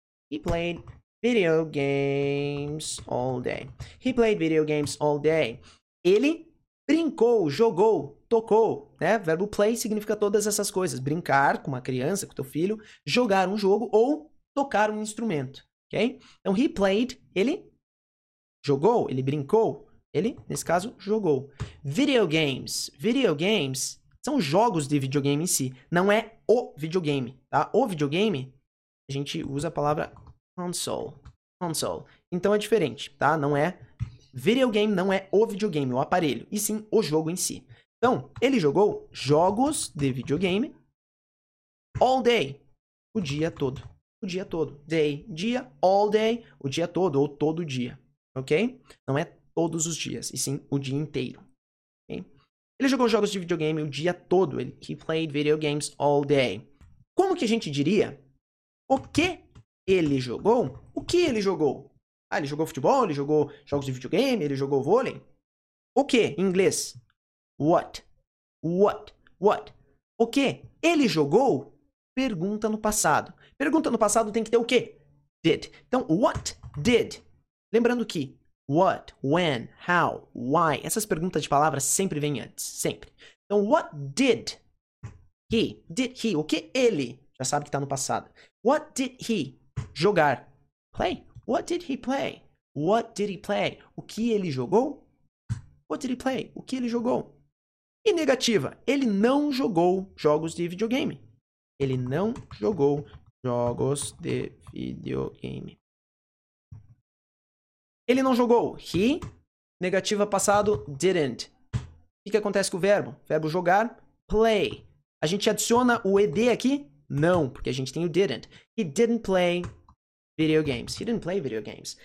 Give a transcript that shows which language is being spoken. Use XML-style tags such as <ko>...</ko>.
<en>He played video games all day. He played video games all day.</en> <pt>Ele brincou, jogou, tocou, né? Verbo play significa todas essas coisas. Brincar com uma criança, com teu filho, jogar um jogo ou tocar um instrumento, ok? Então,</pt> <en>he played,</en> <pt>ele jogou, ele brincou, ok? Ele, nesse caso, jogou. Videogames. Videogames são jogos de videogame em si. Não é o videogame, tá? O videogame, a gente usa a palavra console. Console. Então é diferente, tá? Não é... Videogame não é o videogame, o aparelho. E sim, o jogo em si. Então, ele jogou jogos de videogame</pt> <en>all day.</en> <pt>O dia todo. O dia todo. Day. Dia.</pt> <en>All day.</en> <pt>O dia todo. Ou todo dia. Ok? Não é todos os dias. E sim, o dia inteiro. Ok? Ele jogou jogos de videogame o dia todo.</pt> <en>He played video games all day.</en> <pt>Como que a gente diria? O que ele jogou? O que ele jogou? Ah, ele jogou futebol? Ele jogou jogos de videogame? Ele jogou vôlei? O que? Em inglês. What? What? What? O que? Ele jogou? Pergunta no passado. Pergunta no passado tem que ter o quê? Did. Então,</pt> <en>what did?</en> <pt>Lembrando que what, when, how, why. Essas perguntas de palavras sempre vêm antes. Sempre. Então, what did he? Did he? O que ele? Já sabe que está no passado. What did he? Jogar. Play.</pt> <en>What did he play? What did he play?</en> <pt>O que ele jogou? What did he play? O que ele jogou? E negativa. Ele não jogou jogos de videogame. Ele não jogou jogos de videogame. Ele não jogou. He, negativa passado, didn't. O que, que acontece com o verbo? Verbo jogar, play. A gente adiciona o ed aqui? Não, porque a gente tem o didn't.</pt> <en>He didn't play video games. He didn't play video games.</en>